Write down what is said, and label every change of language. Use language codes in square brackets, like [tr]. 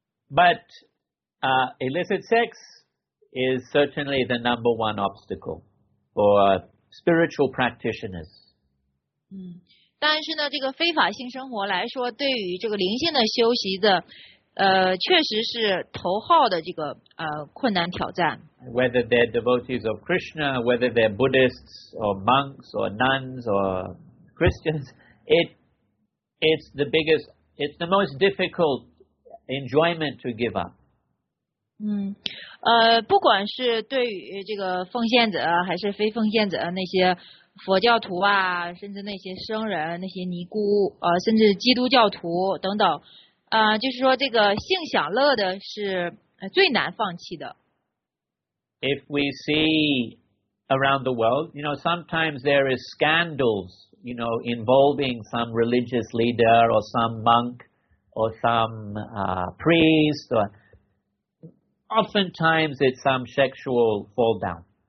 [en] But illicit sex is certainly the number one obstacle for spiritual practitioners. [zh] 但是呢，这个非法性生活来说，对于这个灵性的修习的，确实是头号的这个困难挑战。 [en] Whether they're devotees of Krishna, whether they're Buddhists or monks or nuns or Christians, it's the biggest, it's the most difficult enjoyment to give up. [zh] 不管是对于这个奉献者还是非奉献者，那些佛教徒啊，甚至那些僧人、那些尼姑，甚至基督教徒等等，就是说这个性享乐的是最难放弃的。 [en] If we see around the world, you know, sometimes there is scandals, you know, involving some religious leader or some monk or some priest, or oftentimes it's some sexual fall down.